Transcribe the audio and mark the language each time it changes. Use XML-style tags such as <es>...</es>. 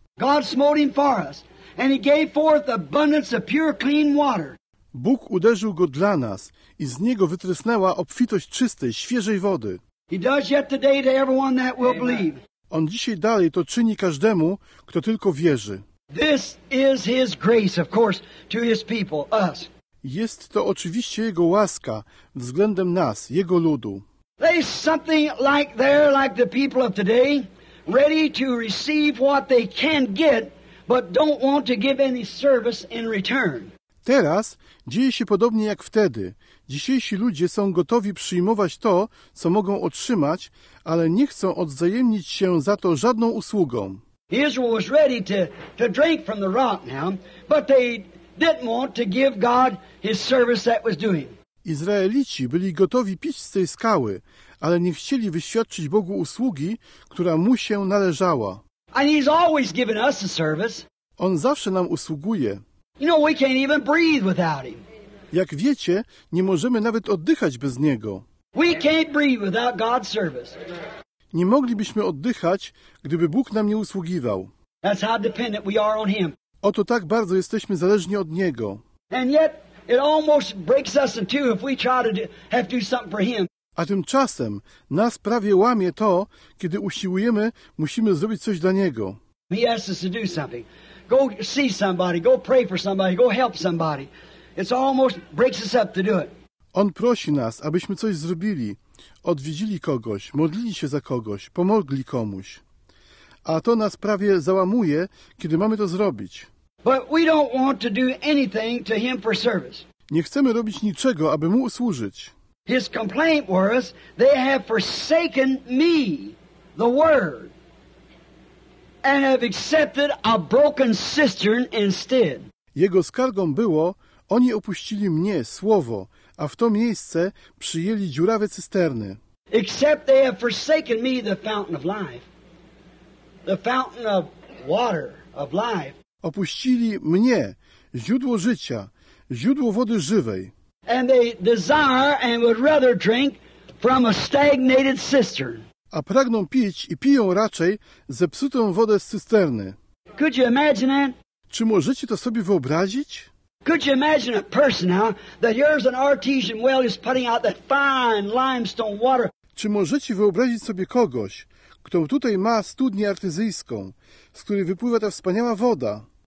<en>God smote him for us, and he gave forth abundance of pure, clean water.</en> <pl>Bóg uderzył go dla nas i z niego wytrysnęła obfitość czystej, świeżej wody.</pl> <en>He does yet today to everyone that will believe.</en> <pl>On dzisiaj dalej to czyni każdemu, kto tylko wierzy.</pl> <en>This is his grace, of course, to his people, us.</en> <pl>Jest to oczywiście jego łaska względem nas, jego ludu.</pl> <en>There's something like there, like the people of today, ready to receive what they can get, but don't want to give any service in return.</en> <pl>Teraz dzieje się podobnie jak wtedy. Dzisiejsi ludzie są gotowi przyjmować to, co mogą otrzymać, ale nie chcą odwzajemnić się za to żadną usługą.</pl> <en>Israel was ready to drink from the rock now, but they didn't want to give God his service that was doing.</en> <pl>Izraelici byli gotowi pić z tej skały, ale nie chcieli wyświadczyć Bogu usługi, która mu się należała.</pl> <en>And he's always given us a service.</en> <pl>On zawsze nam usługuje.</pl> <en>You know, we can't even breathe without him.</en> <pl>Jak wiecie, nie możemy nawet oddychać bez Niego.</pl> <en>We can't breathe without God's service.</en> <pl>Nie moglibyśmy oddychać, gdyby Bóg nam nie usługiwał.</pl> <en>That's how dependent we are on him.</en> <pl>Oto tak bardzo jesteśmy zależni od Niego.</pl> <en>And yet, it almost breaks us in two if we try to have to do something for him.</en> <pl>A tymczasem nas prawie łamie to, kiedy usiłujemy, musimy zrobić coś dla Niego.</pl> <en>He asks us to do something. Go see somebody, go pray for somebody, go help somebody. It almost breaks us up to do it.</en> <pl>On prosi nas, abyśmy coś zrobili, odwiedzili kogoś, modlili się za kogoś, pomogli komuś. A to nas prawie załamuje, kiedy mamy to zrobić.</pl> <en>But we don't want to do anything to him for service.</en> <pl>Nie chcemy robić niczego, aby mu usłużyć.</pl> <en>His complaint was, they have forsaken me, the word, and have accepted a broken cistern instead.</en> <pl>Jego skargą było, oni opuścili mnie, słowo, a w to miejsce przyjęli dziurawe cysterny.</pl> <en>Except they have forsaken me, the fountain of life, the fountain of water of life.</en> <pl>Opuścili mnie, źródło życia, źródło wody żywej.</pl> <en>And they desire and would rather drink from a stagnated cistern.</en> <pl>A pragną pić i piją raczej zepsutą wodę z cysterny.</pl> <en>Could you imagine that?</en> <pl>Czy możecie to sobie wyobrazić?</pl> <en>Could you imagine a person now that here's an artesian well is putting out that fine limestone water?</en> <pl>Czy możecie wyobrazić sobie kogoś, kto tutaj ma studnię artyzyjską, z której wypływa ta wspaniała woda?</pl>